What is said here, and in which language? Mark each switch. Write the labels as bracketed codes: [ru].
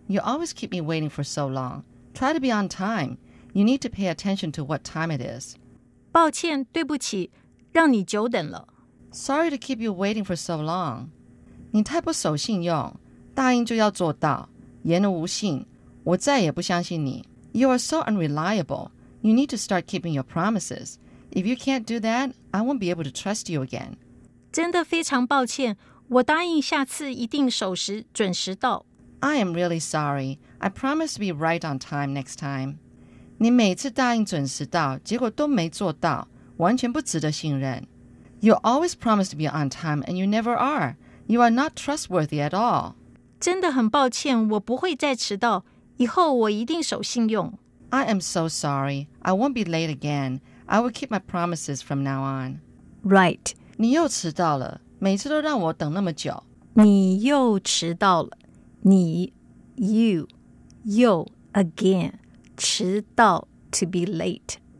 [en] You always keep me waiting for so long. Try to be on time. You need to pay attention to what time it is. [zh] 抱歉，对不起，让你久等了。 [en] Sorry to keep you waiting for so long. [zh] 你太不守信用，答应就要做到，言而无信，我再也不相信你。 [en] You are so unreliable. You need to start keeping your promises. If you can't do that, I won't be able to trust you again. [zh] 真的非常抱歉，我答应下次一定守时，准时到。 [en] I am really sorry. I promise to be right on time next time. [zh] 你每次答应准时到，结果都没做到，完全不值得信任。 [en] You always promise to be on time, and you never are. You are not trustworthy at all. [zh] 真的很抱歉，我不会再迟到，以后我一定守信用。 [en] I am so sorry. I won't be late again. I will keep my promises from now on. Right. [zh] 你又迟到了，每次都让我等那么久。你又迟到了，你 you, 又 again, 迟到 [en] to be late.